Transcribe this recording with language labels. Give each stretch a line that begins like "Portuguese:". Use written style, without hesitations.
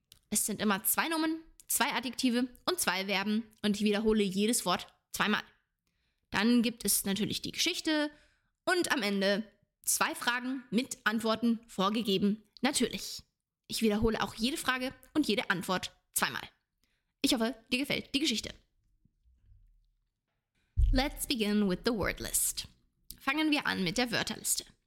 German: Es sind immer 2 Nomen, 2 Adjektive und 2 Verben und ich wiederhole jedes Wort 2-mal. Dann gibt es natürlich die Geschichte und am Ende 2 Fragen mit Antworten vorgegeben, natürlich. Ich wiederhole auch jede Frage und jede Antwort 2-mal. Ich hoffe, dir gefällt die Geschichte.
English: Let's begin with the word list.
German: Fangen wir an mit der Wörterliste.